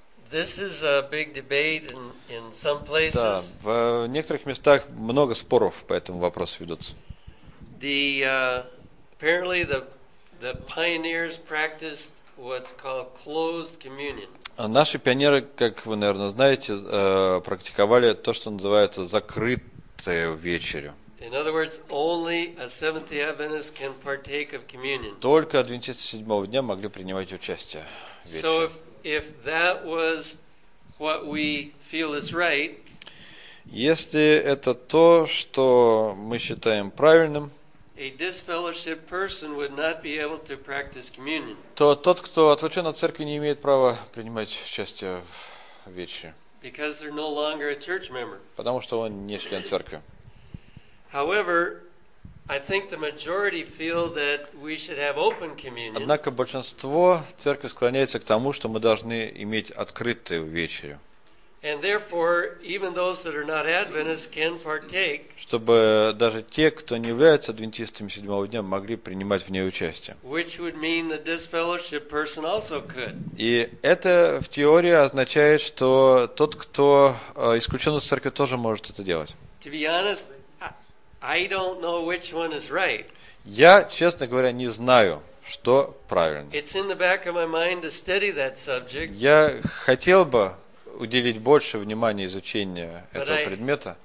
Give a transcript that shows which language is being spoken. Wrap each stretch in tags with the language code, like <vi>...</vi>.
<en>This is a big debate in some places.</en> <ru>Да, в некоторых местах много споров по этому вопросу ведутся.</ru> <en>Apparently the pioneers practiced what's called closed communion.</en> <ru>Наши пионеры, как вы, наверное, знаете, практиковали то, что называется закрытую вечерю.</ru> <en>In other words, only a Seventh-day Adventist can partake of communion.</en> <ru>Только адвентисты седьмого дня могли принимать участие в вечере.</ru> <en>So if that was what we feel is right,</en> <ru>если это то, что мы считаем правильным,</ru> <en>a disfellowship person would not be able to practice communion.</en> <ru>То тот, кто отлучен от церкви, не имеет права принимать участие в вечере.</ru> <en>Because they're no longer a church member.</en> <ru>Потому что он не член церкви.</ru> <en>However, I think the majority feel that we should have open communion.</en> <ru>Однако большинство церкви склоняется к тому, что мы должны иметь открытую вечерю.</ru> <en>And therefore, even those that are not Adventists can partake.</en> <ru>Чтобы даже те, кто не являются адвентистами седьмого дня, могли принимать в ней участие.</ru> <en>Which would mean the disfellowship person also could.</en> <ru>И это в теории означает, что тот, кто исключен из церкви, тоже может это делать.</ru> <en>To be honest, I don't know which one is right.</en> <ru>Я, честно говоря, не знаю, что правильно.</ru> <en>It's in the back of my mind to study that subject.</en> <ru>Я хотел бы уделить больше внимания изучению этого предмета.</ru>